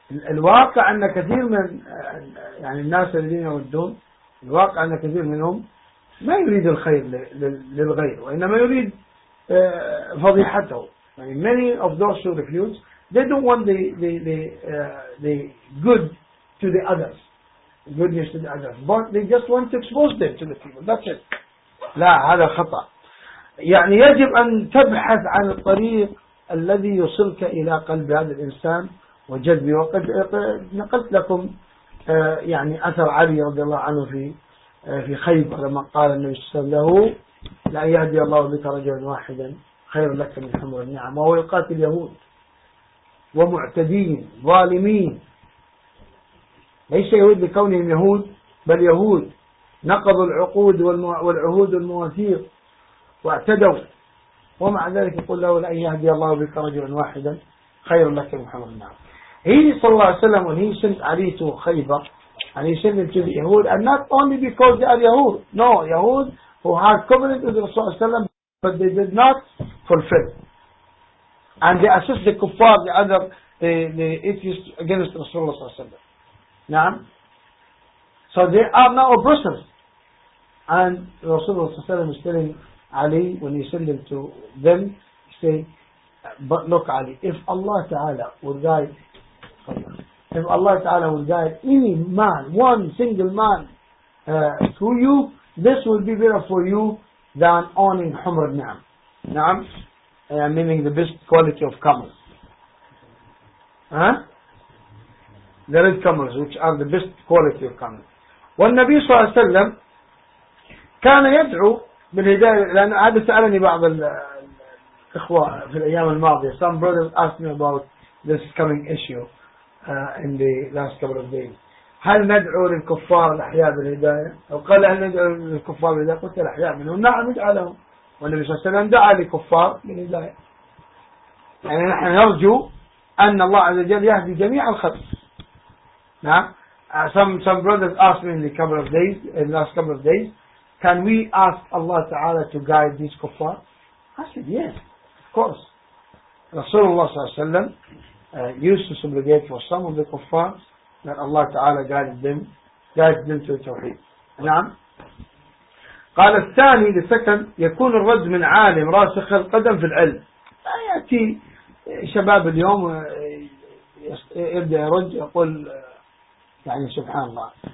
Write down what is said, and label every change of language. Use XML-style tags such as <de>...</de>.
<ar>الواقع ان كثير من الناس الذين يودون, الواقع ان كثير منهم ما يريد الخير للغير, وانما يريد فضيحته.</ar> <en>Many of those who refuse, they don't want the good to the others, goodness to the others, but they just want to expose them to the people. That's it.</en> <ar>لا, هذا خطأ. يجب أن تبحث عن الطريق الذي يوصلك إلى قلب هذا الإنسان وجذبه. وقد نقلت لكم أثر علي رضي الله عنه في خيبر, لما قال النبي صلى الله عليه وسلم له, لا يهدي الله بك رجلا واحدا خير لك من حمر النعم, وهو يقاتل يهود ومعتدين ظالمين, ليس يهود لكونهم يهود, بل يهود نقضوا العقود والعهود المواثيق واعتدوا، ومع ذلك يقول له لأن يهدي الله بك رجلا واحدا خير لك محمد النار. هي صلى الله عليه وسلم وهي سنت عليته خيبر</ar> <en>and he sent them to the Yahud, and not only because they are Yahud. No, Yahud who had covenant with Rasulullah sallam, but they did not fulfill. And they assist the kuffar, the other, the atheists against Rasulullah sallam. Naam? So they are now oppressors. And Rasulullah sallam is telling Ali, when he sent them to them, he say, but look Ali, if Allah Ta'ala will guide, if Allah Ta'ala will guide any man, one single man, to you, this will be better for you than owning Humr al-Ni'am. Na'am? Meaning the best quality of camels. Huh? The red camels, which are the best quality of camels.</en> <ar>والنبي صلى الله عليه وسلم كان يدعو بالهداية، لأن عادة سألني بعض الإخوة في الأيام الماضية.</ar> <en>Some brothers asked me about this coming issue. In the last couple of days.</en> <ar>هل ندعو للكفار الأحياء بالهداية؟ وقال هل ندعو للكفار بالهداية؟ قلت الأحياء منهم نعم ندعو. والنبي صلى الله عليه وسلم دعا للكفار بالهداية. يعني نحن نرجو أن الله عز وجل يهدي جميع الخلق. نعم.</ar> <en>Some brothers asked me in the couple of days, in last couple of days, can we ask Allah Ta'ala to guide these kuffar? I said yes, of course. Rasulullah</en> <ar>صلى الله عليه وسلم</ar> <en>used to subrogate for some of the kuffar that Allah Ta'ala guided them to Tawheed. نعم.</en> <ar>قال الثاني</ar> <en>the second</en> <ar>يكون الرد من عالم راسخ القدم في العلم. لا يأتي شباب اليوم يبدأ يرد يقول يعني سبحان الله.</ar>